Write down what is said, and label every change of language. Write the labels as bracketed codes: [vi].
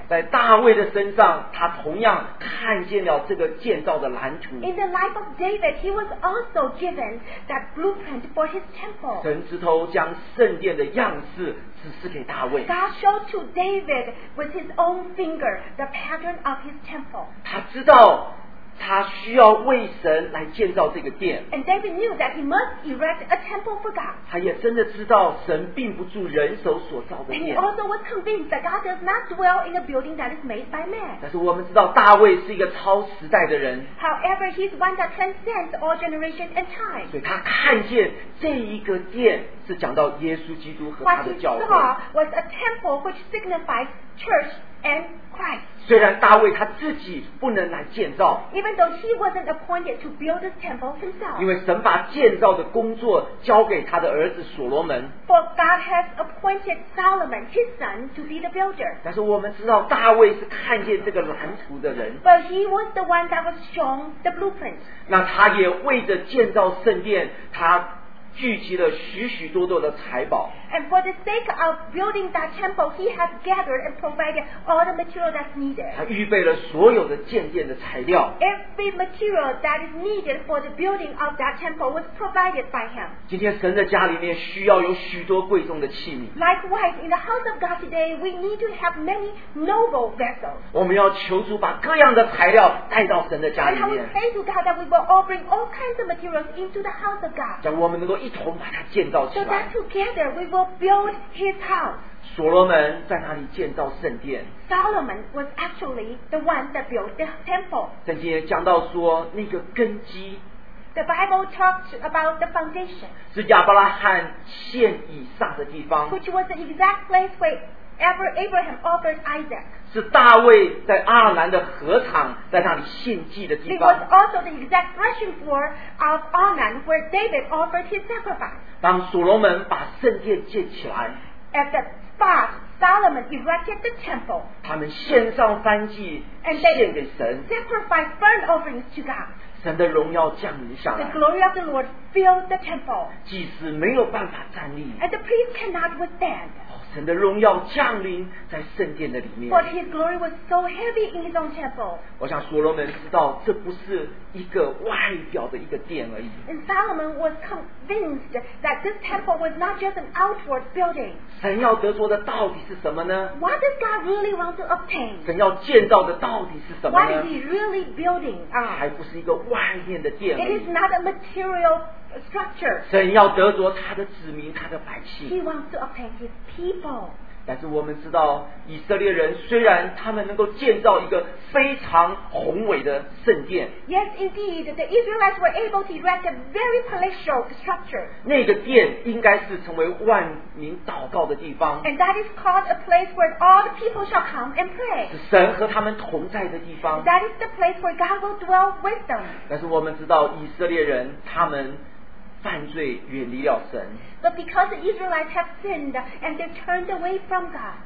[zh] 在大卫的身上，他同样看见了这个建造的蓝图。 [en] In the life of David, he was also given that blueprint for his temple. [zh] 神之头将圣殿的样式指示给大卫。 [en] God showed to David with his own finger the pattern of his temple. [zh] 他知道他需要为神来建造这个殿。 [en] And David knew that he must erect a temple for God. [zh] 他也真的知道神并不住人手所造的殿。 [en] And he also was convinced that God does not dwell in a building that is made by man. [zh] 但是我们知道大卫是一个超时代的人。 [en] However, he's one that transcends all generation and time. [zh] 所以他看见这一个殿是讲到耶稣基督和他的教会。 [en] What he saw was a temple which signifies church. And Christ. [zh] 虽然大卫他自己不能来建造， [en] Even though he wasn't appointed to build this temple himself, [zh] 因为神把建造的工作交给他的儿子所罗门。 [en] For God has appointed Solomon, his son, to be the builder. [zh] 但是我们知道大卫是看见这个蓝图的人。 [en] But he was the one that was shown the blueprint. [zh] 那他也为着建造圣殿，他聚集了许许多多的财宝。 [en] And for the sake of building that temple, he has gathered and provided all the material that's needed. [zh] 他预备了所有的建殿的材料。 [en] Every material that is needed for the building of that temple was provided by him. [zh] 今天神的家里面需要有许多贵重的器皿。 [en] Likewise, in the house of God today, we need to have many noble vessels. [zh] 我们要求主把各样的材料带到神的家里面。 [en] And we pray to God that we will all bring all kinds of materials into the house of God. [zh] 让我们能够一同把它建造起来。 [en] So that together we will build his house. [zh] 所罗门在哪里建造圣殿？ [en] Solomon was actually the one that built the temple. [zh] 圣经也讲到说那个根基。 [en] The Bible talks about the foundation. [zh] 是亚伯拉罕献以撒的地方。 [en] Which was the exact place where ever Abraham offered Isaac. [zh] 是大卫在阿兰的禾场在那里献祭的地方。 [en] It was also the exact threshing floor of Arnon where David offered his sacrifice. [zh] 当所罗门把圣殿建起来。 [en] At that spot, Solomon erected the temple. [zh] 他们献上燔祭，献给神。 [en] Sacrifice burnt offerings to God. [zh] 神的荣耀降临下来。 [en] The glory of the Lord filled the temple. [zh] 祭司没有办法站立。 [en] And the priest cannot withstand. [zh] 神的荣耀降临在圣殿的里面。 [en] But his glory was so heavy in his own temple. [zh] 我想所罗门知道这不是一个外表的一个殿而已。 [en] And Solomon was convinced that this temple was not just an outward building. [zh] 神要得着的到底是什么呢？ [en] What does God really want to obtain? [zh] 神要建造的到底是什么呢？ [en] What is he really building? [zh] 还不是一个外面的殿而已。 [en] It is not a material structure. [zh] 神要得着他的子民，他的百姓。 [en] He wants to obtain his people. [zh] 但是我们知道以色列人虽然他们能够建造一个非常宏伟的圣殿。 [en] Yes, indeed, the Israelites were able to erect a very palatial structure. [zh] 那个殿应该是成为万民祷告的地方。 [en] And that is called a place where all the people shall come and pray. [zh] 是神和他们同在的地方。 [en] That is the place where God will dwell with them. [zh] 但是我们知道以色列人他们犯罪远离了神。 [en] But because the Israelites have sinned and they turned away from God.